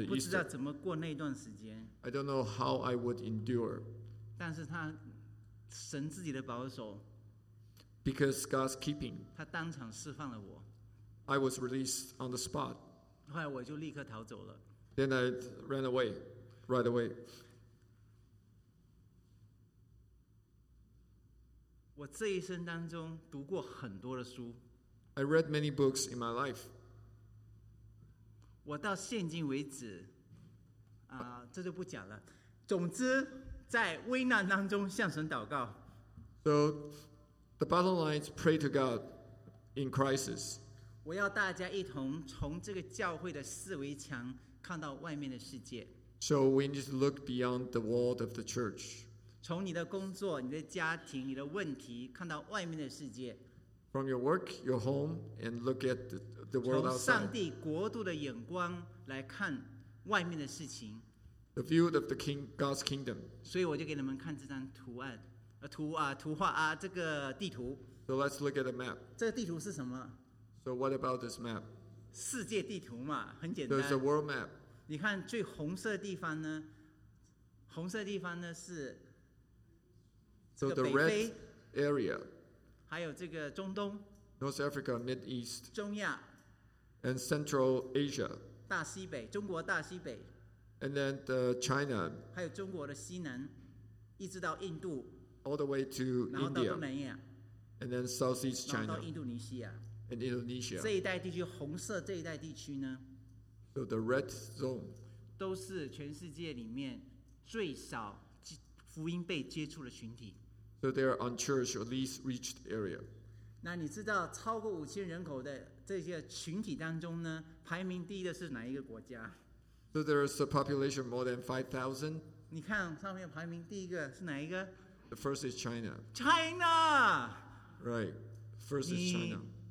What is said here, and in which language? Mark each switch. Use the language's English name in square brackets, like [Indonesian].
[Chinese] 我不知道怎么过那段时间。 [English] I don't know how I would endure. [Chinese] 但是他神自己的保守。 [English] Because God's keeping. [Chinese] 他当场释放了我。 [English] I was released on the spot. [Chinese] 后来我就立刻逃走了。 [English] Then I ran away, right away. [Chinese] 我这一生当中读过很多的书。 [English] I read many books in my life. [Chinese] 我到现今为止，这就不讲了。总之，在危难当中向神祷告。 [English] So, the bottom line is pray to God in crisis. [Chinese] 我要大家一同从这个教会的四围墙看到外面的世界。 [English] So we need to look beyond the wall of the church. [Chinese] 从你的工作、你的家庭、你的问题看到外面的世界。 [English] From your work, your home, and look at the world outside. [Chinese] 从上帝国度的眼光来看外面的事情。 [English] The view of the King, God's kingdom. [Chinese] 所以我就给你们看这张图案。图画，这个地图。 [English] So let's look at the map. [Chinese] 这个地图是什么？ [English] So what about this map? [Chinese] 世界地图嘛，很简单。 [English] So it's a world map. [Chinese] 你看最红色的地方呢？红色的地方呢是这个北非 area，还有这个中东 [English] ，North Africa, Mid East， [Chinese] 中亚 [English] ，and Central Asia， [Chinese] 大西北，中国大西北 [English] ，and then the China， [Chinese] 还有中国的西南，一直到印度。 [English] All the way to India, [Chinese] 然后到东南亚 [English] and then Southeast China, [Chinese] 然后到印度尼西亚 [English] and Indonesia. [Chinese] 这一带地区，红色这一带地区呢 [English] so the red zone, [Chinese] 都是全世界里面最少福音被接触的群体 [English] so they are unchurched or least reached area. [Chinese] 那你知道超过5000人口的这些群体当中呢，排名第一的是哪一个国家？ [English] So there is a population more than 5,000. [Chinese] 你看上面排名第一个是哪一个？ [English] The first is China. China! Right. First is China.